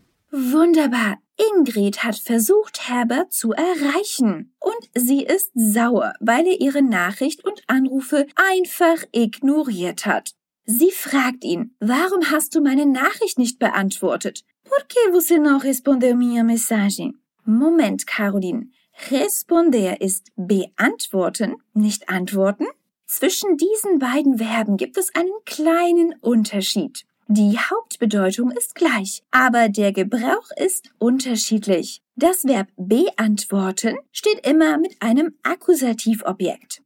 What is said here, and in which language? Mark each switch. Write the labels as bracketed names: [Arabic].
[German] Wunderbar. Ingrid hat versucht, Herbert zu erreichen. Und sie ist sauer, weil er ihre Nachricht und Anrufe einfach ignoriert hat. Sie fragt ihn, warum hast du meine Nachricht nicht beantwortet? [Portuguese] Por que você não respondeu minha mensagem? [German] Moment, Caroline. Responder ist beantworten, nicht antworten. Zwischen diesen beiden Verben gibt es einen kleinen Unterschied. Die Hauptbedeutung ist gleich, aber der Gebrauch ist unterschiedlich. Das Verb beantworten steht immer mit einem Akkusativobjekt.